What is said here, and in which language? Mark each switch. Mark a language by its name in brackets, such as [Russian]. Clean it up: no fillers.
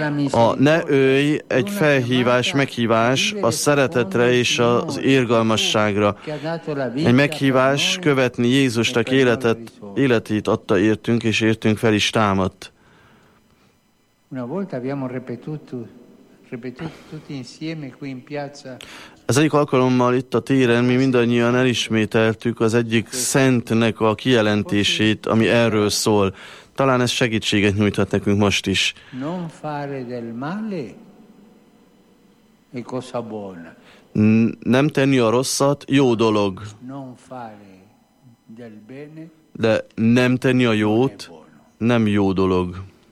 [Hungarian] A ne ölj egy felhívás, meghívás a szeretetre és az irgalmasságra. Egy meghívás követni Jézust, aki életét adta értünk, és értünk fel is támadt. [Italian] Una volta abbiamo ripetuto tutti insieme qui in piazza. [Hungarian] Az egyik alkalommal itt a téren mi mindannyian elismételtük az egyik szentnek a kijelentését, ami erről szól. Talán ez segítséget nyújthat nekünk most is. [Italian] Non fare del male è cosa buona. [Hungarian] Nem tenni a rosszat jó dolog. [Italian] Non fare del bene. [Hungarian] De nem tenni a jót nem jó dolog.